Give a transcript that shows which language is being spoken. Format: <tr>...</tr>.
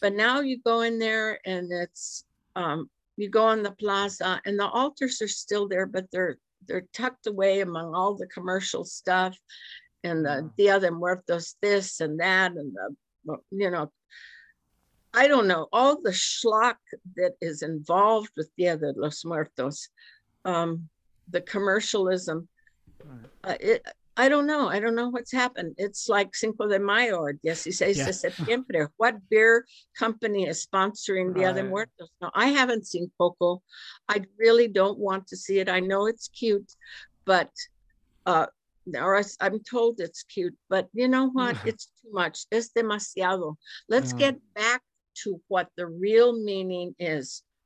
<en>But now you go in there and it's, you go on the plaza and the altars are still there, but they're tucked away among all the commercial stuff and the Dia de Muertos this and that. And the, you know, I don't know, all the schlock that is involved with Dia de los Muertos, the commercialism. I don't know what's happened. It's like Cinco de Mayo or 16 de Septiembre. What beer company is sponsoring Dia de Muertos? No, I haven't seen Coco. I really don't want to see it. I know it's cute, but I'm told it's cute, but you know what? It's too much.</en> <es>Es demasiado.</es> <en>Let's get back to what the real meaning is.</en>